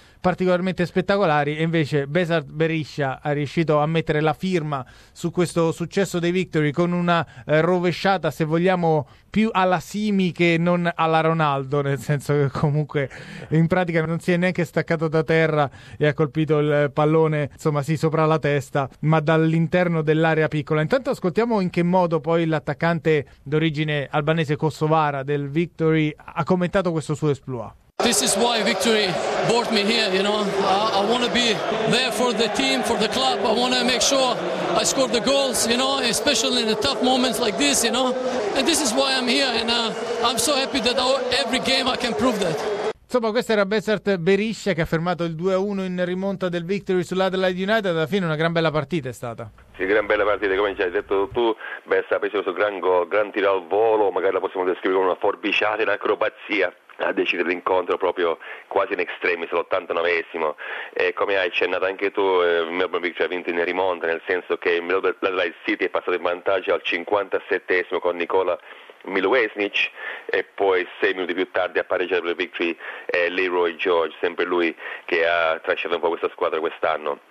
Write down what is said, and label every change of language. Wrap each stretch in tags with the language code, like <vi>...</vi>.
<it>particolarmente spettacolari, e invece Besard Berisha ha riuscito a mettere la firma su questo successo dei Victory con una rovesciata, se vogliamo, più alla Simi che non alla Ronaldo, nel senso che comunque in pratica non si è neanche staccato da terra e ha colpito il pallone, insomma, sì, sopra la testa, ma dall'interno dell'area piccola. Intanto ascoltiamo in che modo poi l'attaccante d'origine albanese kosovara del Victory ha commentato questo suo exploit.</it> <en>This is why Victory brought me here, you know. I want to be there for the team, for the club. I want to make sure I score the goals, you know, especially in the tough moments like this, you know. And this is why I'm here, and I'm so happy that every game I can prove that.</en> <it>Insomma, questo era Besard Berisha che ha fermato il 2-1 in rimonta del Victory sull'Adelaide United. Alla fine una gran bella partita è stata. Sì, gran bella partita, come hai detto tu, Besard ha preso questo gran gol, gran tiro al volo, magari la possiamo descrivere come una forbiciata in acrobazia. A decidere l'incontro proprio quasi in extremis, l'89esimo, e come hai accennato anche tu, Melbourne Victory ha vinto in rimonta, nel senso che Adelaide City è passato in vantaggio al 57esimo con Nikola Miluesnic e poi 6 minuti più tardi a pareggiare per Victory è Leroy George, sempre lui che ha trascinato un po' questa squadra quest'anno.</it>